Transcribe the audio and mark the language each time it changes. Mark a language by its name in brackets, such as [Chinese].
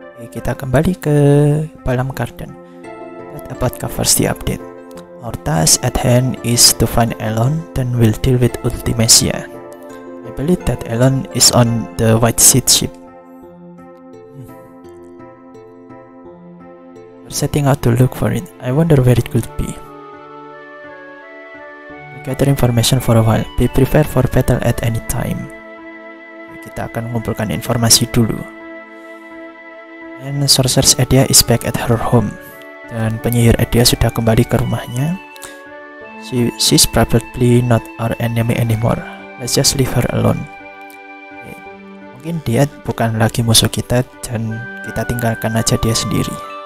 [Indonesian] kita kembali ke Balamb Garden. [English] That about covers the update. Our task at hand is to find Elon, then we'll deal with Ultimacia. I believe that Elon is on the White Seed ship. We're setting out to look for it. I wonder where it could be. We'll gather information for a while. Be prepared for battle at any time. [Indonesian] Kita akan mengumpulkan informasi dulu. [English] And Sorceress Edea is back at her home. [Indonesian] Dan penyihir Edea sudah kembali ke rumahnya. [English] She's probably not our enemy anymore. Let's just leave her alone. Okay. [Indonesian] Mungkin dia bukan lagi musuh kita dan kita tinggalkan aja dia sendiri.